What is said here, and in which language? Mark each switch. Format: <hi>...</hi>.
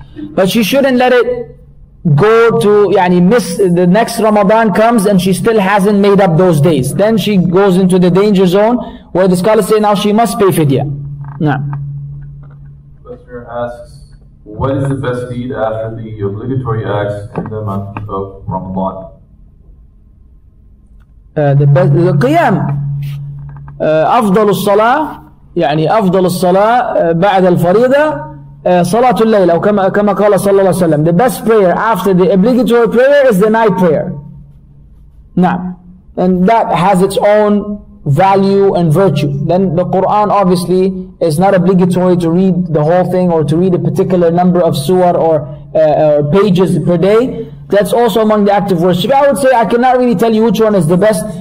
<en>But she shouldn't let it go to, yani miss, the next Ramadan comes and she still hasn't made up those days. Then she goes into the danger zone where the scholars say now she must pay fidya. No. Asks, what is the best deed after the obligatory acts in the month of Ramadan? The best, the qiyam.</en> <ar>أفضل الصلاة يعني أفضل الصلاة بعد الفريضة صلاة الليل أو كما قال صلى الله عليه وسلم.</ar> <en>The best prayer after the obligatory prayer is the night prayer.</en> <ar>نعم.</ar> <en>And that has its own value and virtue. Then the Quran obviously is not obligatory to read the whole thing or to read a particular number of surah or pages per day. That's also among the active worship. I would say I cannot really tell you which one is the best.</en>